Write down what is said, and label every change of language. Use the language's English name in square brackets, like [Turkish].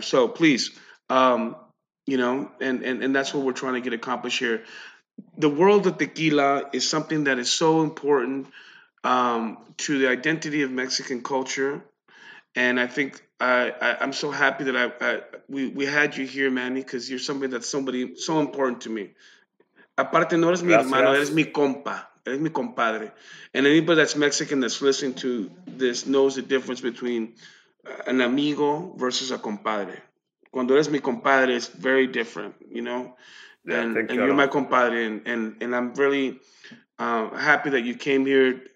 [English] So please, you know, and that's what we're trying to get accomplished here. The world of tequila is something that is so important to the identity of Mexican culture. And I think I'm so happy that we had you here, Manny, because you're somebody so important to me. [Spanish] Aparte, no eres mi hermano, eres mi compa. Eres mi compadre. [English] And anybody that's Mexican that's listening to this knows the difference between an amigo versus a compadre. [Spanish] Cuando eres mi compadre, [English] it's very different, you know? And you're my compadre, and I'm really happy that you came here.